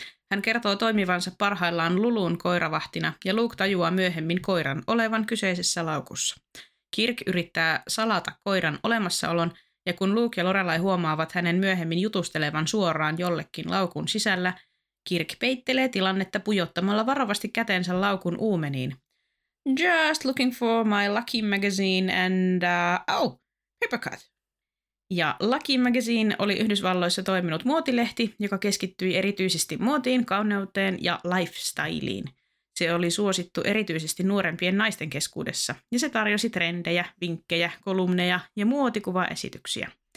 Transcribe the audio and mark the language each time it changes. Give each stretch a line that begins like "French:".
Finnish: Hän kertoo toimivansa parhaillaan Lulun koiravahtina ja Luke tajuaa myöhemmin koiran olevan kyseisessä laukussa. Kirk yrittää salata koiran olemassaolon ja kun Luke ja Lorelai huomaavat hänen myöhemmin jutustelevan suoraan jollekin laukun sisällä, Kirk peittelee tilannetta pujottamalla varovasti kätensä laukun uumeniin.
English: Just looking for my lucky magazine and paper cut.
Finnish: Ja Lucky Magazine oli Yhdysvalloissa toiminut muotilehti, joka keskittyi erityisesti muotiin, kauneuteen ja lifestyliin. Se oli suosittu erityisesti nuorempien naisten keskuudessa, ja se tarjosi trendejä, vinkkejä, kolumneja ja muotikuvaesityksiä.